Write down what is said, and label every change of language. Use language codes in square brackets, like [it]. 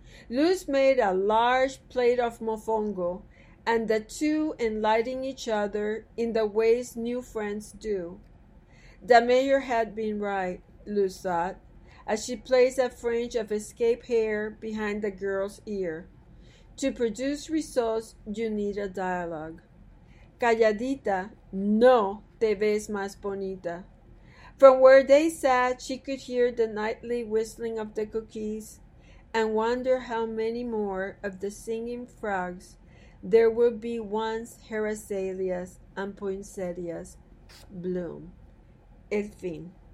[en] Luz made a large plate of mofongo, and the two enlightened each other in the ways new friends do. The mayor had been right, Luz thought, as she placed a fringe of escape hair behind the girl's ear. To produce results, you need a dialogue. [es] Calladita, no te ves más bonita. [en] From where they sat, she could hear the nightly whistling of the coquis and wonder how many more of the singing frogs there would be once her azaleas and poinsettias bloom. [es] El fin.